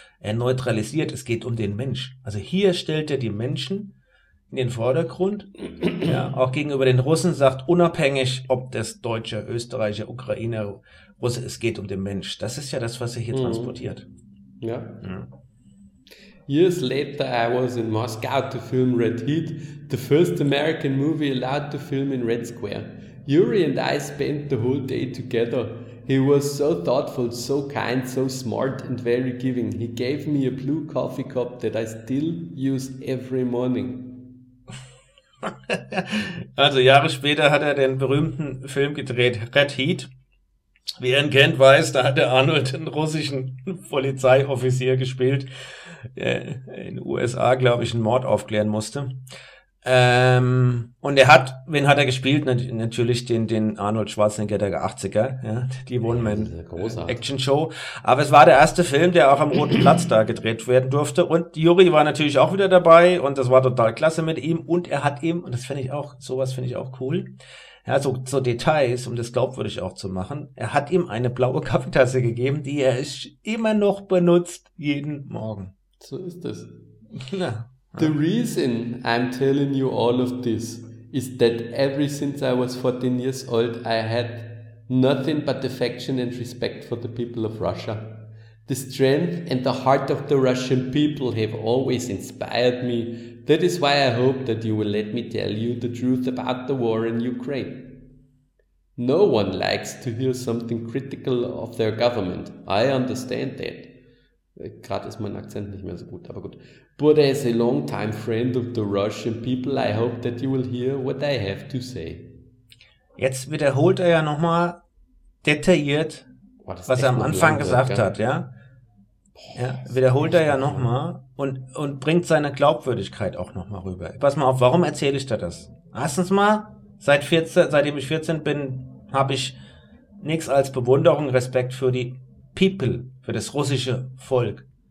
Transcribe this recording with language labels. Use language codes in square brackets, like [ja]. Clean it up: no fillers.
[de] Er neutralisiert, es geht um den Mensch. Also hier stellt er die Menschen in den Vordergrund, ja, auch gegenüber den Russen, sagt unabhängig, ob das Deutsche, Österreicher, Ukrainer, Russe, es geht um den Mensch. Das ist ja das, was er hier transportiert. Ja. [en] Years later, I was in Moscow to film Red Heat, the first American movie allowed to film in Red Square. Yuri and I spent the whole day together. He was so thoughtful, so kind, so smart and very giving. He gave me a blue coffee cup that I still use every morning. [de] Also Jahre später hat er den berühmten Film gedreht, Red Heat. Wie er ihn kennt, weiß, da hat der Arnold einen russischen Polizeioffizier gespielt, der in den USA, glaube ich, einen Mord aufklären musste. Und er hat, wen hat er gespielt? Natürlich den Arnold Schwarzenegger der 80er, ja, die One-Man-Action-Show. Aber es war der erste Film, der auch am Roten Platz da gedreht werden durfte. Und Juri war natürlich auch wieder dabei und das war total klasse mit ihm. Und er hat eben, und das finde ich auch, sowas finde ich auch cool, ja, so Details, um das glaubwürdig auch zu machen, er hat ihm eine blaue Kaffeetasse gegeben, die er immer noch benutzt, jeden Morgen. So ist das. Ja. [en] The reason I'm telling you all of this is that ever since I was 14 years old, I had nothing but affection and respect for the people of Russia. The strength and the heart of the Russian people have always inspired me. That is why I hope that you will let me tell you the truth about the war in Ukraine. No one likes to hear something critical of their government. I understand that. [de] Gerade ist mein Akzent nicht mehr so gut, aber gut. [en] But as a long-time friend of the Russian people, I hope that you will hear what I have to say. [de] Jetzt wiederholt er ja nochmal detailliert, was er am Anfang gesagt hat, ja? Ja, wiederholt er ja nochmal und bringt seine Glaubwürdigkeit auch nochmal rüber. Pass mal auf, warum erzähle ich dir das? Erstens mal, seitdem ich 14 bin, habe ich nichts als Bewunderung, Respekt für die People, für das russische Volk.